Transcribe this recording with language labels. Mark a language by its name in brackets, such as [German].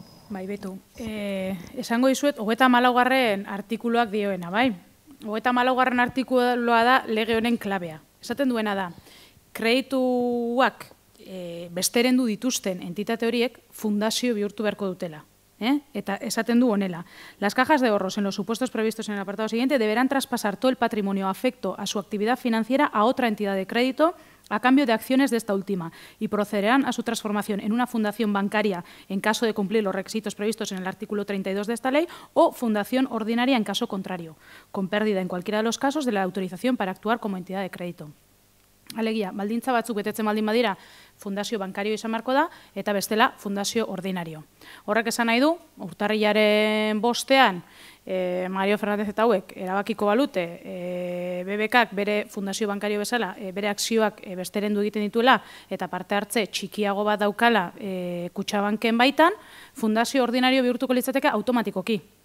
[Basque] Bai, Betu. Esango dizuet 34. Artikuluak dioena, bai? 34. Artikulua da lege honen klabea. Esaten duena da, kredituak besteren du dituzten entitate horiek fundazio bihurtu beharko dutela. Eta esaten du honela. [Spanish] Las cajas de ahorros en los supuestos previstos en el apartado siguiente deberán traspasar todo el patrimonio afecto a su actividad financiera a otra entidad de crédito a cambio de acciones de esta última y procederán a su transformación en una fundación bancaria en caso de cumplir los requisitos previstos en el artículo 32 de esta ley o fundación ordinaria en caso contrario, con pérdida en cualquiera de los casos de la autorización para actuar como entidad de crédito. [Basque] Alegia, baldintza batzuk betetzen baldin badira, fundazio bankario izan beharko da, eta bestela fundazio ordinario. Horrek esan nahi du, urtarrilaren bostean, Mario Fernandez eta hauek erabakiko balute, BBK-ak bere fundazio bankario bezala, bere akzioak besteren du egiten dituela, eta parte hartze txikiago bat daukala kutxabanken baitan, fundazio ordinario bihurtuko litzateke automatikoki.